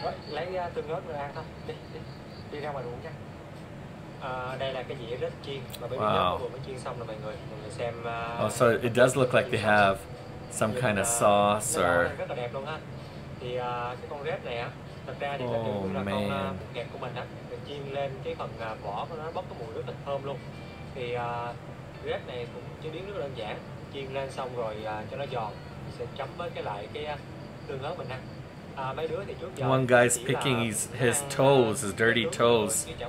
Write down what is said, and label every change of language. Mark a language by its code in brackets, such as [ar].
[vi] Lấy tương ớt ra thôi, đi ra ngoài ruộng nha. Đây là cái dĩa rất chiên mà bên nhóm vừa mới chiên xong rồi mọi người xem. [en] Oh, so it does look like they have some kind of sauce or. [vi] Rất là đẹp luôn ha. Thì cái con rết này á, thật ra thì là con nghẹt của mình á, mình chiên lên cái phần vỏ của nó bốc cái mùi rất là thơm luôn. Thì rết này cũng chế biến rất là đơn giản, chiên lên xong rồi cho nó giòn, mình sẽ chấm với cái tương ớt mình ăn. [en] One guy's picking his toes, his dirty toes.